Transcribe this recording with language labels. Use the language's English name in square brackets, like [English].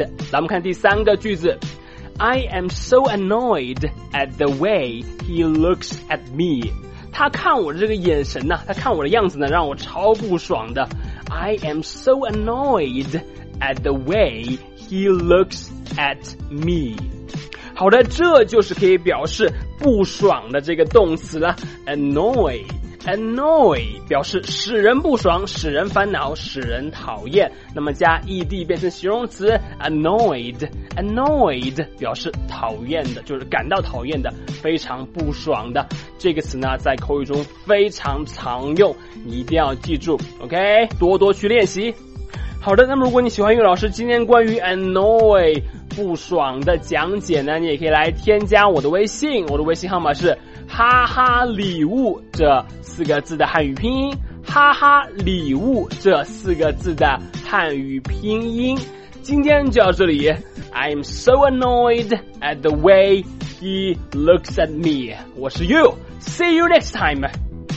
[Chinese] 咱们看第三个句子， [English] I am so annoyed at the way he looks at me， [Chinese] 他看我的这个眼神呢，他看我的样子呢让我超不爽的。 [English] I am so annoyed at the way he looks at me。 [Chinese] 好的，这就是可以表示不爽的这个动词了， annoy 表示使人不爽，使人烦恼，使人讨厌，那么加 ed 变成形容词 annoyed 表示讨厌的，就是感到讨厌的，非常不爽的。这个词呢在口语中非常常用，你一定要记住， OK， 多多去练习。好的，那么如果你喜欢英语老师今天关于 annoy 不爽的讲解呢，你也可以来添加我的微信，我的微信号码是哈哈礼物这四个字的汉语拼音，哈哈礼物这四个字的汉语拼音。今天就到这里， [English] I'm so annoyed at the way he looks at me。 [Chinese] 我是 [English] you， See you next time。